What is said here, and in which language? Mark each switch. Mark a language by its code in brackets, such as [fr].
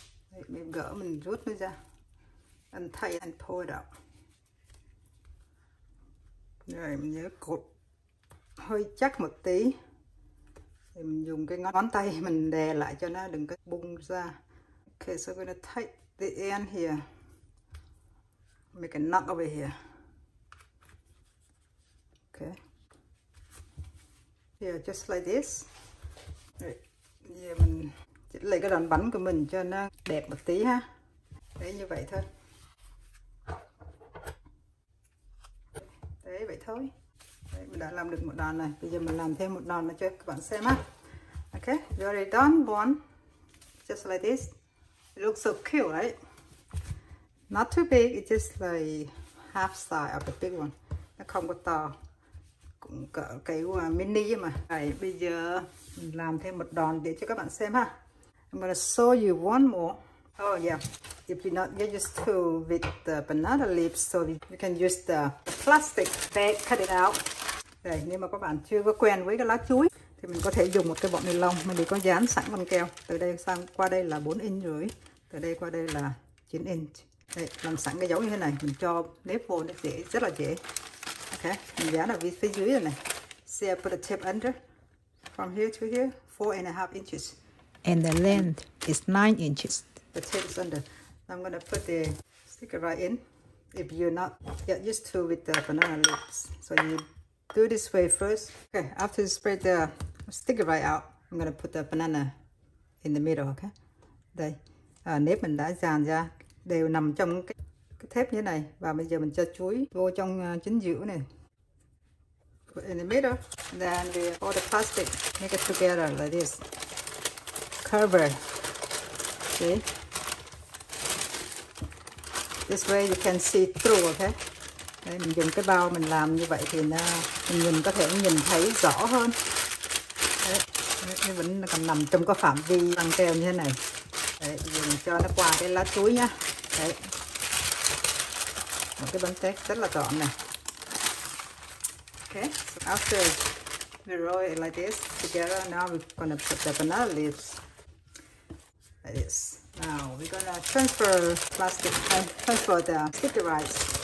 [vi] Đấy, mình gỡ mình rút nó ra. [en] And tie it and pull it out. [vi] Rồi mình nhớ cột hơi chắc một tí. Thì mình dùng cái ngón tay mình đè lại cho nó đừng có bung ra. [en] Okay, so we're gonna tie the end here. Make a knot over here. Okay. Yeah, just like this. [vi] Rồi, giờ mình chỉnh lại cái đòn bánh của mình cho nó đẹp một tí ha. Đấy, như vậy thôi. Đấy, vậy thôi. Đấy, mình đã làm được một đòn này. Bây giờ mình làm thêm một đòn nữa cho các bạn xem á. [en] Ok, you already done one. Just like this. It looks so cute, right? Not too big, it's just like half size of the big one. [vi] Nó không có to. Cũng cỡ cái mini mà. Đấy, bây giờ mình làm thêm một đòn để cho các bạn xem ha. [en] I'm gonna show you one more. Oh yeah. If you're not get used to with the banana leaves, so you can use the plastic bag, cut it out. [vi] Đây, nếu mà các bạn chưa có quen với cái lá chuối, thì mình có thể dùng một cái bọc ni lông, mình có dán sẵn băng keo. Từ đây sang qua đây là 4 inch rưỡi, từ đây qua đây là 9 inch. Đây, làm sẵn cái dấu như thế này, mình cho nếp vô nó dễ, rất là dễ. Ok, mình dán ở phía dưới rồi này. [en] See, I put a tip under. From here to here, 4.5 inches. And the length is 9 inches. The tip is under. I'm gonna put the sticker right in. If you're not yet used to with the banana leaves, so you do this way first. Okay, after you spread the sticker right out, I'm gonna put the banana in the middle. [vi] Okay, đây nếp mình đã dàn ra đều nằm trong cái thép như này, và bây giờ mình cho chuối vô trong chính giữa này. [en] Put in the middle, then we all the plastic make it together like this. Cover. See. This way you can see through, okay? [vi] Đấy, mình dùng cái bao mình làm như vậy thì mình nhìn có thể nhìn thấy rõ hơn. Đấy, nó vẫn còn nằm trong cái phạm vi băng keo như thế này. Đấy, mình cho nó qua cái lá chuối nhá. Đấy. Một cái bánh tét rất là gọn này. [en] Okay, so after we roll it like this together, now we're gonna put the banana leaves like this. Now we're gonna transfer plastic and transfer the sticky rice.